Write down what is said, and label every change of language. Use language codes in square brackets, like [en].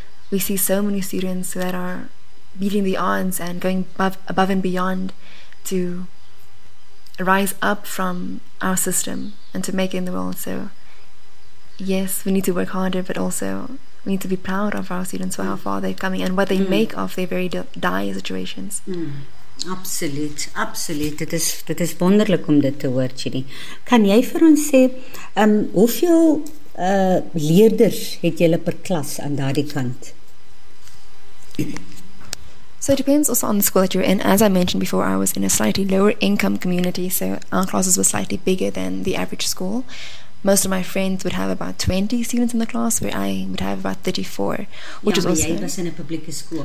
[en] We see so many students that are beating the odds and going above and beyond to rise up from our system and to make it in the world. So yes, we need to work harder, but also we need to be proud of our students for how far they're coming and what they make of their very dire situations. [af] Absoluut. Dit is wonderlik om dit te hoor, Chidi. Kan jy vir ons sê, hoeveel leerders het jy per klas aan daardie kant? [en] So it depends also on the school that you're in. As I mentioned before, I was in a slightly lower income community, so our classes were slightly bigger than the average school. Most of my friends would have about 20 students in the class, where I would have about 34, which is also... Yeah, but in a public school.